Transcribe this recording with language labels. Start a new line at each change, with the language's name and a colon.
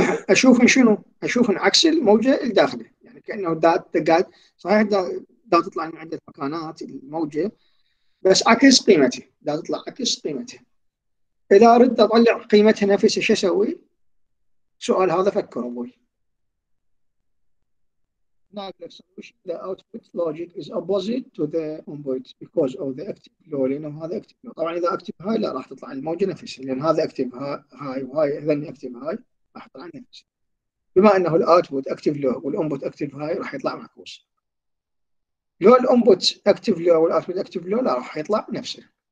Arabic: اشوفهن شنو؟ اشوفهن عكس الموجة الداخلية، كأنه دا صحيح دا تطلع من عدة مكانات الموجة، بس عكس قيمته، دا تطلع عكس قيمته. إذا أردت أطلع قيمتها نفسها شو أسوي؟ سؤال هذا فكر أبوي.
English: Now the solution, the output logic is opposite to the input because of the active low.
Arabic: لأنه هذا active low. طبعا إذا active high لا راح تطلع الموجة نفسها، لأن هذا active high وهاي إذن active high راح تطلع نفسها. بما انه الاوتبوت اكتف لو والانبوت اكتف هاي راح يطلع معكوس. لو الانبوت اكتف لو والاوتبوت اكتف لو لا راح يطلع نفسه.